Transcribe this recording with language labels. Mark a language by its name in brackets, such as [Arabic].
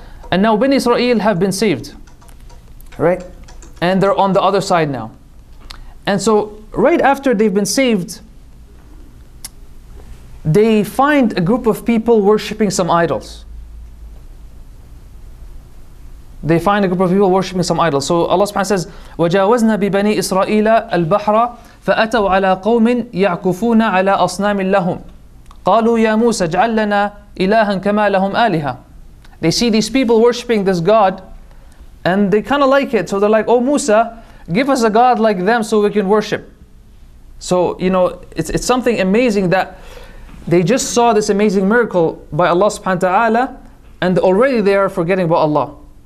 [English] And now Bani Israel have been saved, right? And they're on the other side now. And so right after they've been saved, they find a group of people worshipping some idols. They find a group of people worshipping some idols. So Allah subhanahu says, [Arabic] وَجَاوَزْنَا بِبَنِي إِسْرَائِيلَ الْبَحْرَ فَأَتَوْا عَلَىٰ قَوْمٍ يَعْكُفُونَ عَلَىٰ أَصْنَامٍ لَهُمْ قَالُوا يَا مُوسَى اجْعَلْ لَنَا إِلَهًا كَمَا لَهُمْ آلِهَةٌ. [English] They see these people worshipping this god, and they kind of like it. So they're like, "Oh Musa, give us a god like them so we can worship." So, you know, it's something amazing that they just saw this amazing miracle by Allah subhanahu wa ta'ala, and already they are forgetting about Allah.